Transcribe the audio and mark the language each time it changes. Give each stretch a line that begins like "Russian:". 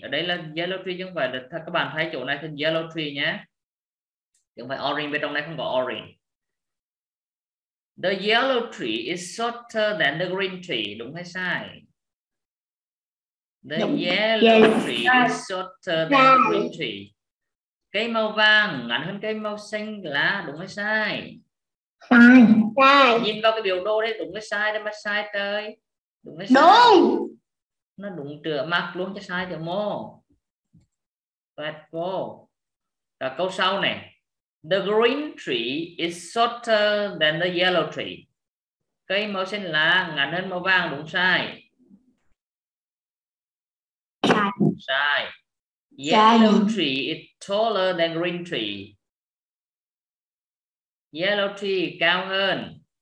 Vietnamese: Ở đây là
English: yellow tree
Vietnamese: chứ không phải là, các bạn thấy chỗ này thành yellow tree nhé. Chứ không phải orange, bên trong này không có orange.
English: The yellow tree is shorter than the green tree.
Vietnamese: Đúng hay sai?
English: The yellow tree is shorter than the green tree.
Vietnamese: Cây màu vàng ngắn hơn cây màu xanh lá. Đúng hay sai? Sai. Nhìn vào cái biểu đồ đấy, đúng hay sai? Đấy mà sai trời. Đúng hay sai?
English: No.
Vietnamese: Nó đúng trừa mặt luôn chứ sai trừa mô.
English: Bad ball.
Vietnamese: Và câu sau này.
English: The green tree is shorter than the yellow tree.
Vietnamese: Cây màu xanh lá ngắn hơn màu vàng, đúng sai? Sai.
English: Yellow tree is taller than green tree. Yellow tree
Vietnamese: cao hơn.